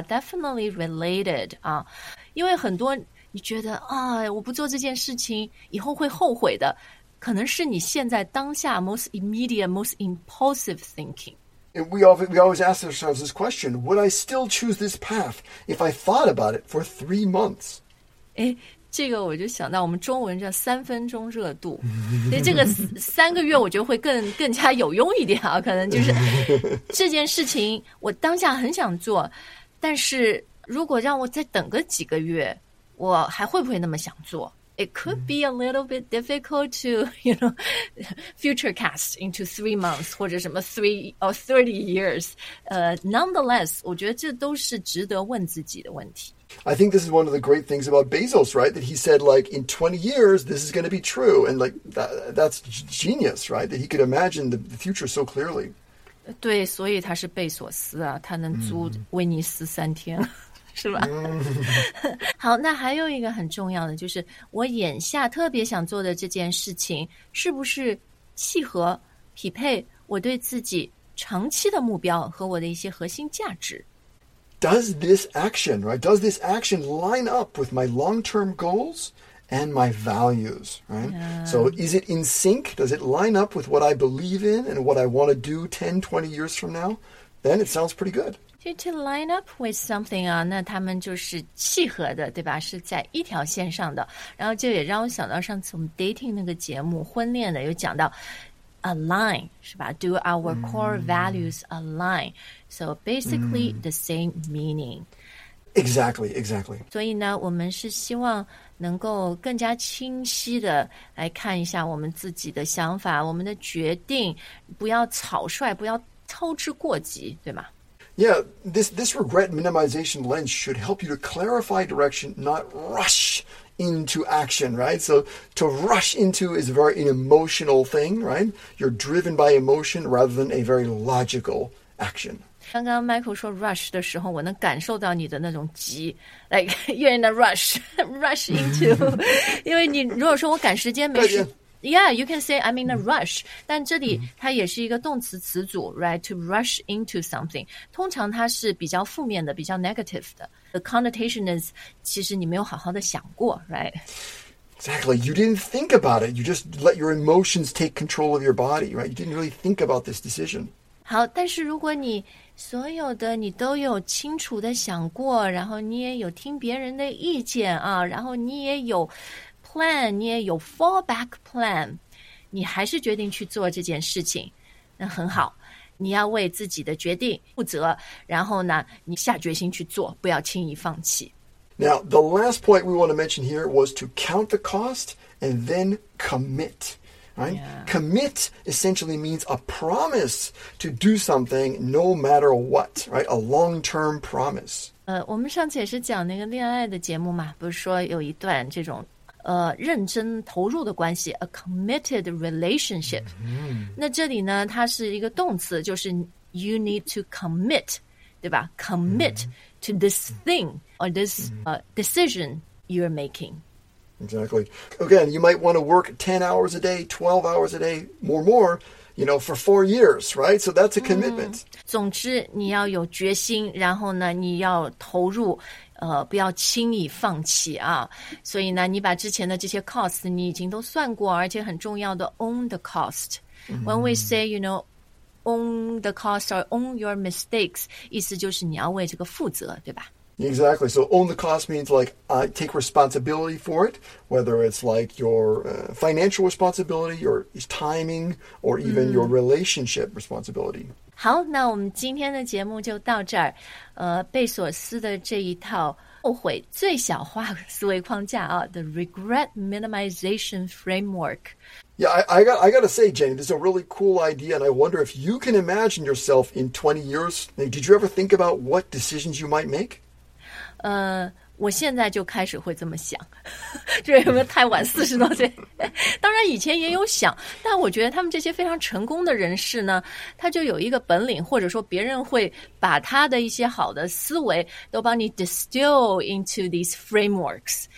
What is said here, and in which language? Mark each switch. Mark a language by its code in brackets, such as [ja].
[en] Definitely related. [zh] 因为很多你觉得啊，我不做这件事情以后会后悔的，可能是你现在当下 [en] most immediate, most impulsive thinking. We always ask ourselves this question, would I still choose this path if I thought about it for 3 months? [zh] 这个我就想到我们中文叫三分钟热度。所以这个三个月我觉得会更加有用一点啊，可能就是这件事情我当下很想做，但是如果让我再等个几个月，我还会不会那么想做？ [en] It could be a little bit difficult to, you know, future cast into 3 months, [zh] 或者什么 [en] 30 years. [zh] Nonetheless, 我觉得这都是值得问自己的问题。 [en] I think this is one of the great things about Bezos, right? That he said, like, in 20 years, this is going to be true. And, like, that's genius, right? That he could imagine the future so clearly. [zh] 对，所以他是贝索斯啊，他能租威尼斯三天。是吧？好，那还有一个很重要的，就是我眼下特别想做的这件事情，是不是契合、匹配我对自己长期的目标和我的一些核心价值 [en] ？Does this action, right? Does this action line up with my long-term goals and my values, right? So is it in sync? Does it line up with what I believe in and what I want to do 10, 20 years from now? Then it sounds pretty good. To line up with something [zh] 啊，那他们就是契合的，对吧？是在一条线上的。然后就也让我想到上次我们 dating 那个节目，婚恋的有讲到 align 是吧 ？ [en] Do our core values align? So basically the same meaning. Exactly, exactly. [zh] 所以呢，我们是希望能够更加清晰的来看一下我们自己的想法、我们的决定，不要草率，不要操之过急，对吗？ [en] Yeah, this regret minimization lens should help you to clarify direction, not rush into action, right? So to rush into is a very emotional thing, right? You're driven by emotion rather than a very logical action. [zh] 刚刚 Michael 说 rush 的时候，我能感受到你的那种急 ， [en] like you're in a rush into. [zh] 因为你如果说我赶时间没事。 [en] Yeah, you can say I'm in a rush. [zh] 但这里它也是一个动词词组 right? [en] To rush into something. [zh] 通常它是比较负面的，比较 negative 的。 [en] The connotation is [zh] 其实你没有好好的想过 right? [en] Exactly. You didn't think about it. You just let your emotions take control of your body, right? You didn't really think about this decision. [zh] 好，但是如果你所有的你都有清楚的想过，然后你也有听别人的意见啊，然后你也有plan, 你也有 fallback plan, 你还是决定去做这件事情，那很好，你要为自己的决定负责，然后呢，你下决心去做，不要轻易放弃。 [en] Now, the last point we want to mention here was to count the cost and then commit, right? Yeah. Commit essentially means a promise to do something no matter what, right? A long-term promise. [zh] 我们上次也是讲那个恋爱的节目嘛，不是说有一段这种认真投入的关系 ， [en] a committed relationship。 [zh] 那这里呢，它是一个动词，就是 [en] you need to commit， [zh] 对吧 ？ [en] commit to this thing or this decision you're making。 Exactly. Again, you might want to work 10 hours a day, 12 hours a day, more, you know, for 4 years, right? So that's a commitment. [zh] 总之，你要有决心，然后呢，你要投入。不要轻易放弃啊！所以呢，你把之前的这些 cost 你已经都算过，而且很重要的 [en] own the cost. When we say you know own the cost or own your mistakes, [zh] 意思就是你要为这个负责，对吧？ [en] Exactly. So own the cost means like take responsibility for it, whether it's like your financial responsibility, your timing, or even your relationship responsibility. [zh] 好，那我们今天的节目就到这儿。贝索斯的这一套后悔最小化思维框架啊 ， [en] the regret minimization framework。 Yeah, I gotta say, Jenny, this is a really cool idea, and I wonder if you can imagine yourself in 20 years. Did you ever think about what decisions you might make? [zh] 我现在就开始会这么想，就是有没有太晚四十多岁？当然以前也有想，但我觉得他们这些非常成功的人士呢，他就有一个本领，或者说别人会把他的一些好的思维都帮你 [en] distill into these frameworks。